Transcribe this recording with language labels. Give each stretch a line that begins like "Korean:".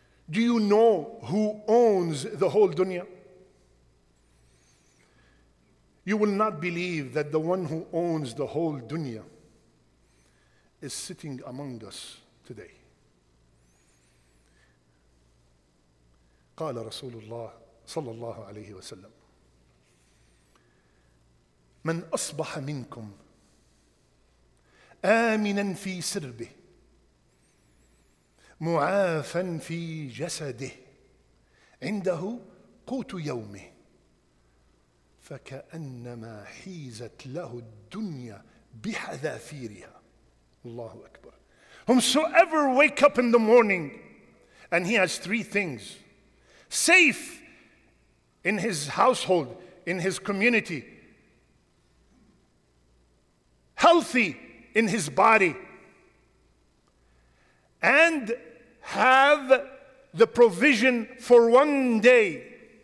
English: Do you know who owns the whole dunya? You will not believe that the one who owns the whole dunya is sitting among us today.
Arabic: قال رسول الله صلى الله عليه وسلم من أصبح منكم آمنا في سربه معافا في جسده عنده قوت يومه فكأنما حيزت له الدنيا بحذافيرها. الله أكبر.
English: Whomsoever wake up in the morning and he has three things safe in his household, in his community, healthy in his body, and have the provision for one day.